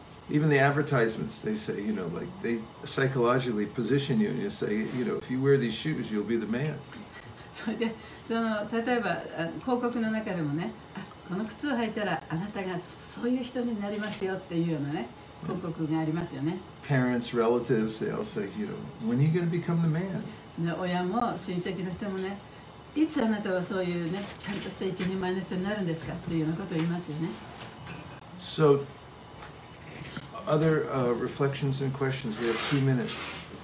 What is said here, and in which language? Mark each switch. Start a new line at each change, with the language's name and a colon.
English: Even the advertisements, they say, you know, like they psychologically position you and you say, you know, if you wear these shoes, you'll be the man.
Japanese: それで、その、例えば、広告の中でもね、この靴を履いたらあなたがそういう人になりますよっていうようなね、広告がありますよね。
English: Parents, relatives, they all say, you know, when are you going to become the man?
Japanese: ね、親も親戚の人もね、いつあなたはそういうね、ちゃんとした一人前の人になるんですかっていうようなことを言いますよね。
English: So, other reflections and questions, we have 2 minutes.